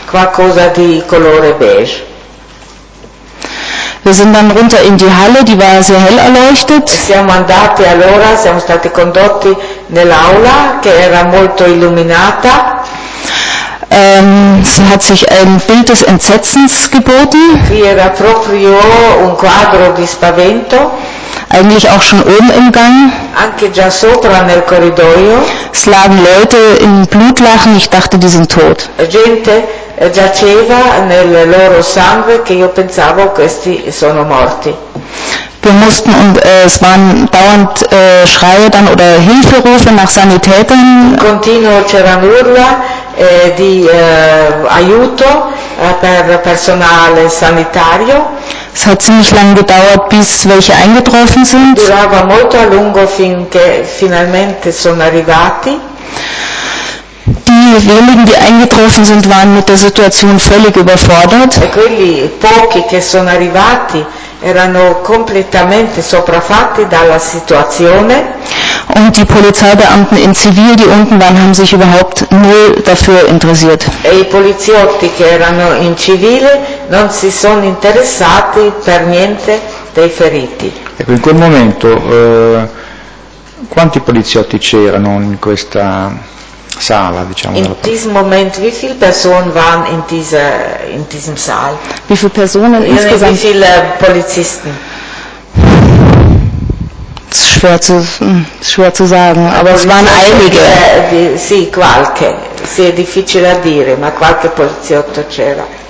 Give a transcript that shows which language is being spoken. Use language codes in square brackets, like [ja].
[it] Qualcosa di colore beige. [de] Wir sind dann runter in die Halle, die war sehr hell erleuchtet. [it] Siamo andati allora, siamo stati condotti nell'aula che era molto illuminata. [de] Es hat sich ein Bild des Entsetzens geboten. [it] Qui era proprio un quadro di spavento. [de] Eigentlich auch schon oben im Gang. [it] Anche già sopra nel corridoio. [de] Es lagen Leute in Blutlachen, ich dachte, die sind tot. [it] Gente giaceva nel loro sangue che io pensavo questi sono morti. [de] Wir mussten und es waren dauernd Schreie dann oder Hilferufe nach Sanitätern. [it] Continuo c'erano urla di aiuto per personale sanitario. [de] Es hat ziemlich lange gedauert, bis welche eingetroffen sind. [it] Durava molto a lungo finché finalmente sono arrivati. [de] Die wenigen, die eingetroffen sind, waren mit der Situation völlig überfordert. [it] E quelli pochi che sono arrivati erano completamente sopraffatti dalla situazione. [de] Und die Polizeibeamten in Zivil, die unten waren, haben sich überhaupt null dafür interessiert. [it] E i poliziotti che erano in civile non si sono interessati per niente dei feriti. Ecco, in quel momento quanti poliziotti c'erano in questa sala, diciamo, [de] in diesem Moment, wie viele Personen waren in diesem Saal? Wie viele Personen insgesamt? Wie viele Polizisten? Das ist schwer zu sagen, aber es waren einige. [it] Sì, qualche. Sì, è difficile a dire, ma qualche poliziotto c'era.